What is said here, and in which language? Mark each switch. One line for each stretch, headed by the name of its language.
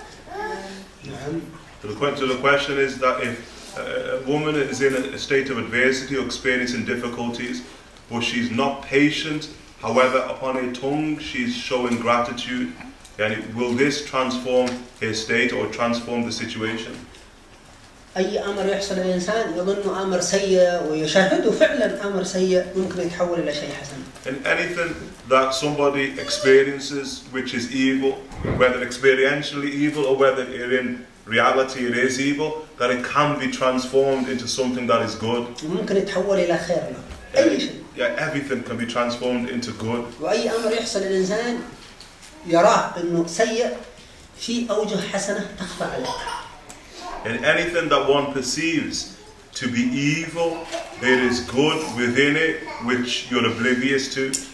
English: So the question is that if a woman is in a state of adversity or experiencing difficulties, but she's not patient, however, upon her tongue she's showing gratitude, then will this transform her state or transform the situation?
Arabic: أي أمر يحصل الإنسان يظن أمر سيء ويشاهده فعلا أمر سيء ممكن يتحول إلى شيء حسن.
English: And anything that somebody experiences which is evil, whether experientially evil or whether in reality it is evil, that it can be transformed into something that is good.
Arabic: ممكن يتحول إلى خير له. أي شيء.
English: Yeah, everything can be transformed into good.
Arabic: وأي أمر يحصل الإنسان يراه إنه سيء في أوجه حسنة تخفى عليه.
English: And anything that one perceives to be evil, there is good within it, which you're oblivious to.